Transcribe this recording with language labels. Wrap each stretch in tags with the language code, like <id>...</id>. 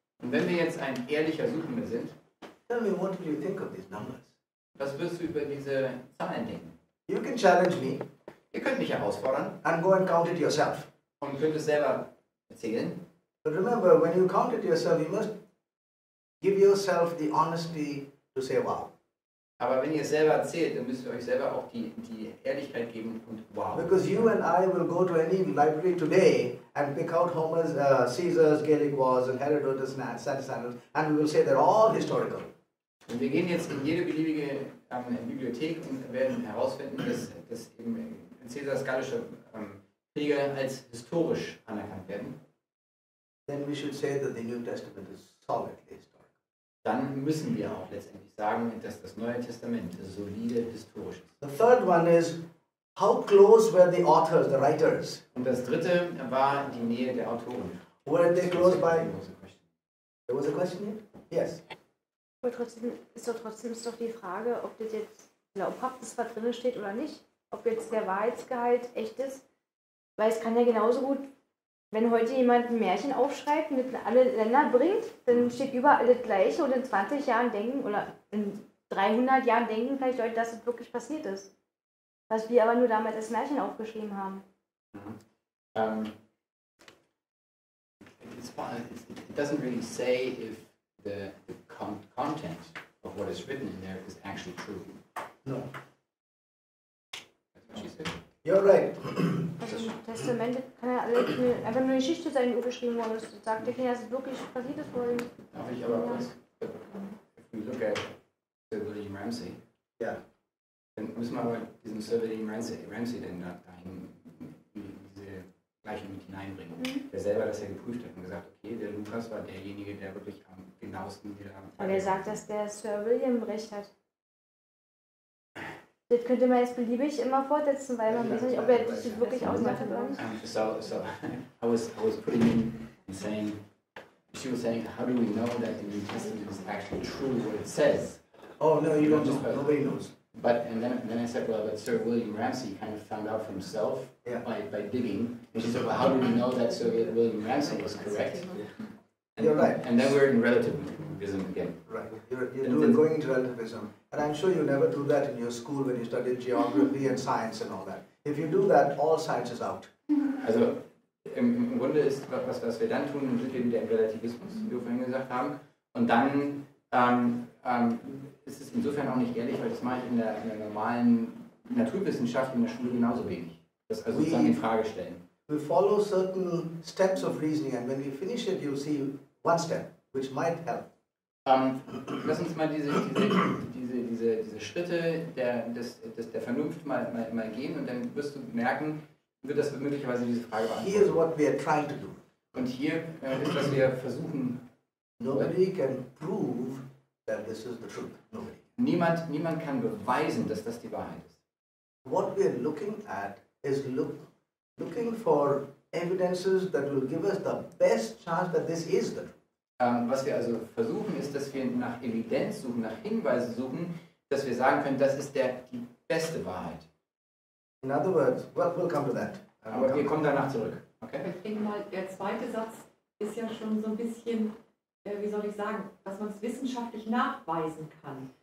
<de>Und wenn wir jetzt ein ehrlicher Suchender sind,</de> <en>tell me, what do you think of these numbers?</en> <de>Was wirst du über diese Zahlen denken?</de> <en>You can challenge me.</en> <de>Ihr könnt mich herausfordern.</de> <en>And go and count it yourself.</en> <de>Und könnt es selber erzählen.</de> <en>But remember, when you count it yourself, you must give yourself the honesty to say wow.</en> <de>Aber wenn ihr selber zählt, dann müsst ihr euch selber auch die Ehrlichkeit geben und wow.</de> <en>Because you and I will go to any library today and pick out Homer's, Caesar's, Gallic Wars and Herodotus and Satisannus and we will say they're all historical.</en> <de>Und wir gehen jetzt in jede beliebige Bibliothek und werden herausfinden, dass eben Caesars gallische Kriege als historisch anerkannt werden.</de> <en>Then we should say that the New Testament is solidly historical.</en> <de>Dann müssen wir auch letztendlich sagen, dass das Neue Testament solide historisch ist.</de> <en>The third one is how close were the authors, the writers?</en> <de>Und das dritte war die Nähe der Autoren.</de> <en>Were they close by? There was a question here? Yes.</en> <de>Aber trotzdem ist doch die Frage, ob das jetzt glaubhaft ist, was drin steht oder nicht, ob jetzt der Wahrheitsgehalt echt ist, weil es kann ja genauso gut. Wenn heute jemand ein Märchen aufschreibt und es in alle Länder bringt, dann steht überall das Gleiche und in 20 Jahren denken oder in 300 Jahren denken vielleicht Leute, dass es wirklich passiert ist. Was wir aber nur damals als Märchen aufgeschrieben haben.</de> <en>It doesn't really say if the content of what is written in there is actually true. No. That's what she said. You're right.</en> <de>Also ein Testament kann ja einfach nur eine Geschichte sein, die überschrieben worden ist. Sagt, okay, das ist wirklich passiert ist vorhin. Darf ich aber was?</de> <en>If we look at Sir William Ramsay,</en> <de>dann müssen wir aber diesen Sir William Ramsay denn dahin diese Gleichung mit hineinbringen, der selber das ja geprüft hat und gesagt, okay, der Lukas war derjenige, der wirklich am genauesten hier haben. Aber er sagt, dass der Sir William recht hat. Das könnte man jetzt beliebig immer fortsetzen, weil man weiß nicht, ob er das wirklich ausmachen kann.</de> <en>I was putting in and saying, she was saying, how do we know that the New Testament is actually true what it says? Oh no, you don't just know. Nobody knows. But and then I said, well, but Sir William Ramsay kind of found out for himself by digging. And she said, well, how do we know that Sir William Ramsay was correct? Yeah. You're right. And then we're in relativism again. Right. You're going into relativism. And I'm sure you never do that in your school when you studied geography and science and all that. If you do that, all science is out.</en> <de>Also, im Grunde ist was wir dann tun, ist eben der Relativismus, wie wir vorhin gesagt haben. Und dann ist es insofern auch nicht ehrlich, weil das mache ich in der normalen Naturwissenschaft in der Schule genauso wenig. Das also sozusagen in Frage stellen.</de> <en>We follow certain steps of reasoning and when we finish it, you see one step, which might help.</en> <de>Lass uns mal diese Schritte der Vernunft mal gehen und dann wirst du merken, wird das möglicherweise diese Frage beantworten.</de> <en>Here is what we are trying to do.</en> <de>Und hier ist, was wir versuchen.</de> <en>Nobody can prove that this is the truth. Nobody.</en> <de>Niemand kann beweisen, dass das die Wahrheit ist.</de> <en>What we are looking at is looking for evidences that will give us the best chance that this is the truth.</en> <de>Was wir also versuchen, ist, dass wir nach Evidenz suchen, nach Hinweisen suchen, dass wir sagen können, das ist die beste Wahrheit.</de> <en>In other words, we'll come to that.</en> <de>Aber wir kommen danach zurück. Okay? Ich denke mal, der zweite Satz ist ja schon so ein bisschen, wie soll ich sagen, dass man es wissenschaftlich nachweisen kann.</de>